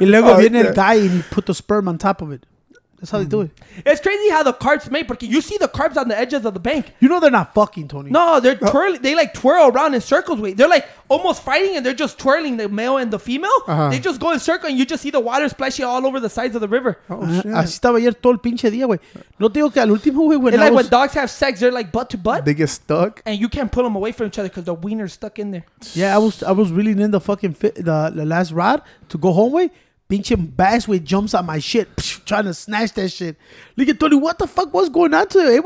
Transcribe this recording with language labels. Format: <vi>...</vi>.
<es>Y luego viene el</es> <en>guy and you put the sperm on top of it. That's how they do it. It's crazy how the carp's made, because you see the carp's on the edges of the bank. You know they're not fucking, Tony. No, they're twirling. They like twirl around in circles. Wait, they're like almost fighting and they're just twirling the male and the female. Uh-huh. They just go in circle and you just see the water splashing all over the sides of the river. Oh, shit.</en> <es>Así estaba ayer todo el pinche día, güey. No te digo que al último, güey,</es> <en>when like when dogs have sex, they're like butt to butt. They get stuck. And you can't pull them away from each other because the wiener's stuck in there. Yeah, I was reeling in the fucking the last rod to go home, way. Pinchin bass with jumps on my shit, trying to snatch that shit. Look at Tony, what the fuck was going on today?</en>